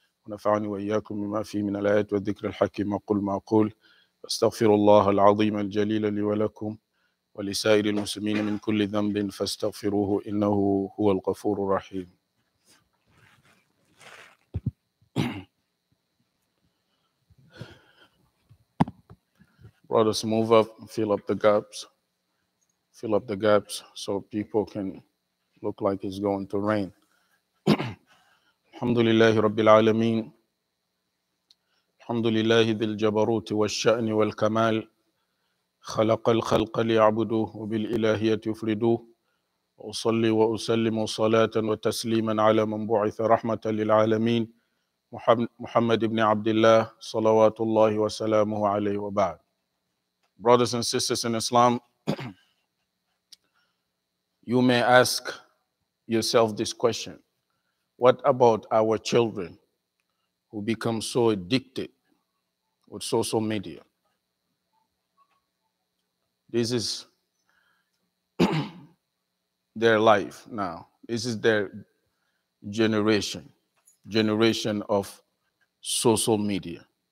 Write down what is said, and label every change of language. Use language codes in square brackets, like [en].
[ar] ونفعني وإياكم بما فيه من الآيات والذكر الحكيم أقول ما أقول أستغفر الله العظيم الجليل لي ولكم ولسائر المسلمين من كل ذنب فاستغفروه إنه هو الغفور الرحيم [en] Brothers, move up, fill up the gaps. Fill up the gaps so people can look like it's going to rain. [ar] الحمد لله رب العالمين الحمد لله ذي الجبروت والشأن والكمال خلق الخلق ليعبدوه وبالإلهية يفردوه أصلي وأسلم صلاة وتسليما على من بعث رحمة للعالمين محمد بن عبد الله صلوات الله وسلامه عليه وبعد [en] Brothers and sisters in Islam, you may ask yourself this question. What about our children who become so addicted with social media? This is their life now. This is their generation of social media.